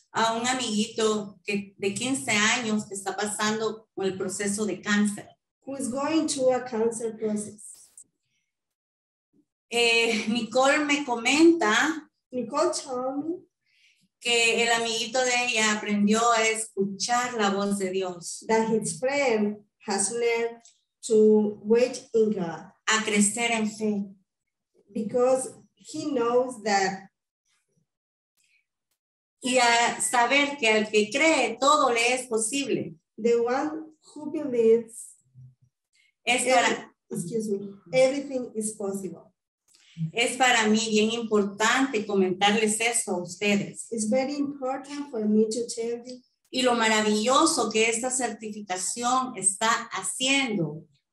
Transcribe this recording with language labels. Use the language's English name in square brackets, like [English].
[Spanish] A un amiguito que, de 15 años que está pasando por el proceso de cáncer. [English] Who is going through a cancer process. [Spanish] Nicole me comenta. [English] Nicole told me. [Spanish] Que el amiguito de ella aprendió a escuchar la voz de Dios. [English] That his friend has learned to wait in God. [Spanish] A crecer en fe. [English] Because he knows that. [Spanish] Y a saber que al que cree, todo le es posible. [English] The one who believes. [Spanish] Es para, [English] excuse me. Everything is possible. [Spanish] Es para mí bien importante comentarles eso a ustedes. [English] It's very important for me to tell you. [Spanish] Y lo maravilloso que esta certificación está haciendo.